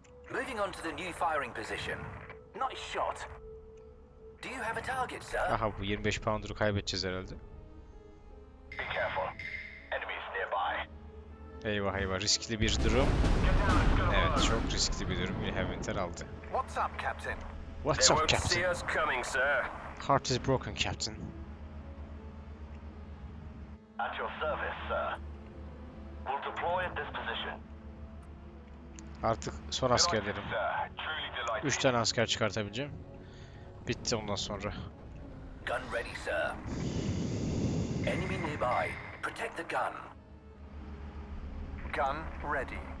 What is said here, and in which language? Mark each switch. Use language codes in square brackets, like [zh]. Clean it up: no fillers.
[en] Moving on to the new firing position. Nice shot. Do you have a target, sir? [tr] Aha, bu 25 pounder'ı kaybedeceğiz herhalde. [en] Be careful. Enemies nearby. [tr] Eyvah eyvah, riskli bir durum. Evet, çok riskli bir durum. Heaventer aldı. [en] What's up, Captain? What's up, Captain? They won't see us coming, sir. Heart is broken, Captain. At your service, sir. We'll deploy at this position. [tr] Artık son askerlerim. 3 tane asker çıkartabileceğim. Bitti ondan sonra. [en] Gun ready, sir. Enemy nearby. Protect the gun. Gun ready.